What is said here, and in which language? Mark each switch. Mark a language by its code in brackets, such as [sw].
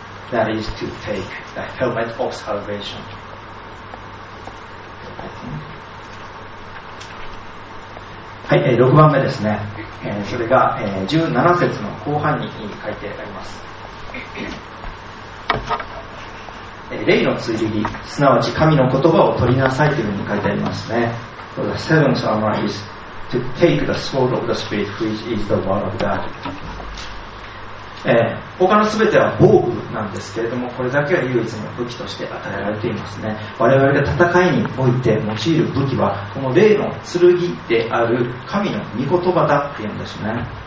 [en] That is to take the helmet of salvation. [ja] はい、6番目ですね、それが、17節の後半に書いてあります。霊の剣、すなわち神の言葉を取りなさいというふうに書いてありますね。 [en] The seventh armor is to take the sword of the spirit, which is the word of God. [ja] 他のすべては防具なんですけれども、これだけは唯一の武器として与えられていますね。我々が戦いにおいて用いる武器はこの霊の剣である神の御言葉だって言うんですね。